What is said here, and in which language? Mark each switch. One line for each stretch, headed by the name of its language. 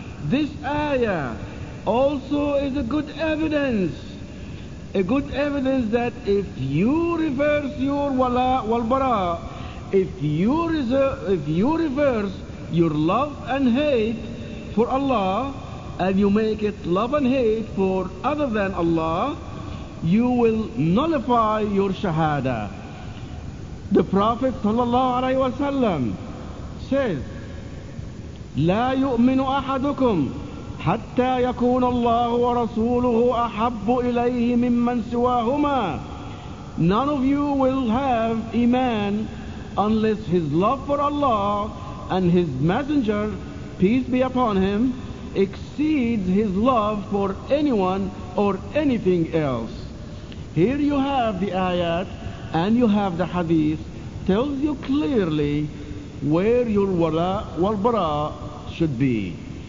English: This ayah also is a good evidence that if you reverse your wala wal bara, if you reverse your love and hate for Allah, and you make it love and hate for other than Allah, you will nullify your shahada. The Prophet sallallahu alaihi wasallam says,
Arabic: لا يؤمن أحدكم حتى يكون الله ورسوله أحب إليه ممن سواهما.
English: None of you will have iman unless his love for Allah and his messenger, peace be upon him, exceeds his love for anyone or anything else. Here you have the ayat and you have the hadith, tells you clearly where your wala wal bara should be.